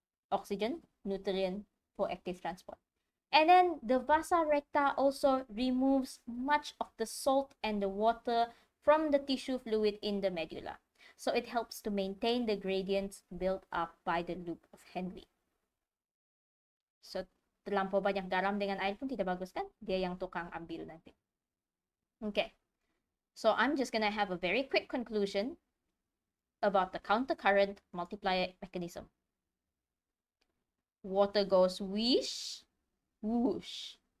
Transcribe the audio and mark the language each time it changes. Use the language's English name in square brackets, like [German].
[English] Oxygen, nutrient, for active transport. And then the vasa recta also removes much of the salt and the water from the tissue fluid in the medulla. So it helps to maintain the gradients built up by the loop of Henle. [Malay] So terlampau banyak garam dengan air pun tidak bagus kan? Dia yang tukang ambil nanti. Okay. [English] So I'm just going to have a very quick conclusion about the countercurrent multiplier mechanism. Water goes whoosh, whoosh.